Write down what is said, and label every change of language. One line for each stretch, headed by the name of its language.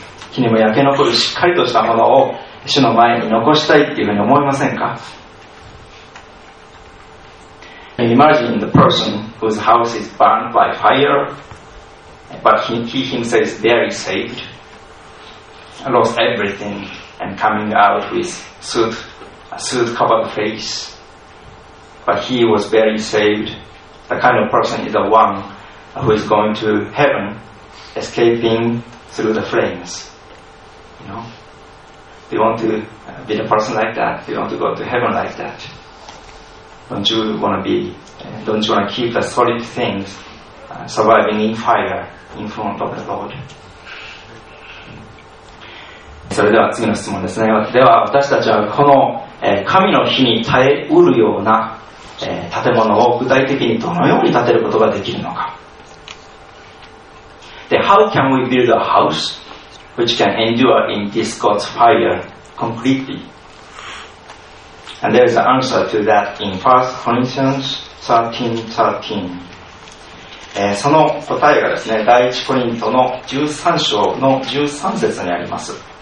Japanese: 火にも焼け残るしっかりとしたものを主の前に残したいっていうふうに思いませんか。
English: Imagine the person whose house is burned by fireBut he himself is very saved, lost everything, and coming out with a soot covered face. But he was very saved, the kind of person is the one who is going to heaven, escaping through the flames. You know? Do you want to be the person like that? Do you want to go to heaven like that? Don't you want to be, don't you want to keep the solid things surviving in fire in front of the Lord?
Japanese: それでは次の質問ですね。では私たちはこの神の日に耐えうるような建物を具体的にどのように建てることができるのか。
English: で、How can we build a house which can endure in this God's fire completely? And there is an answer to that in 1 Corinthians 13:13.
Japanese: その答えがですね、第1コリントの13章の13節にあります。